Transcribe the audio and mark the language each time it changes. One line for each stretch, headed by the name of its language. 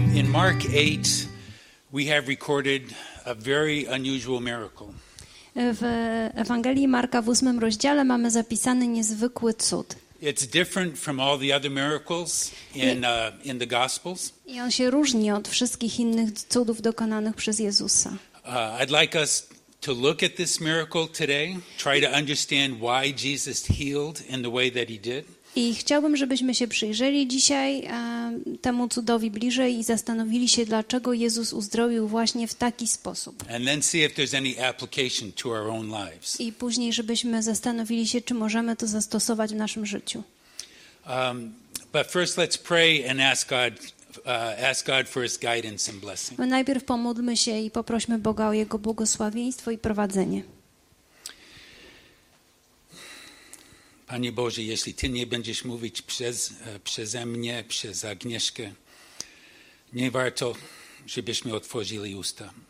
English: Mark 8, we have recorded a very unusual miracle.
Polish: W Ewangelii Marka w 8 rozdziale mamy zapisany niezwykły cud.
English: It's different from all the other miracles in the Gospels.
Polish: I on się różni od wszystkich innych cudów dokonanych przez Jezusa.
English: I'd like us to look at this miracle today, try to understand why Jesus healed in the way that he did.
Polish: I chciałbym, żebyśmy się przyjrzeli dzisiaj temu cudowi bliżej i zastanowili się, dlaczego Jezus uzdrowił właśnie w taki sposób.
English: And then see if there's any application to our own lives.
Polish: I później, żebyśmy zastanowili się, czy możemy to zastosować w naszym życiu.
English: But first let's pray and ask God for his guidance and blessing.
Polish: My najpierw pomódlmy się i poprośmy Boga o jego błogosławieństwo i prowadzenie. Panie Boże, jeśli Ty nie będziesz mówić przeze mnie, przez Agnieszkę, nie warto, żebyśmy otworzyli usta.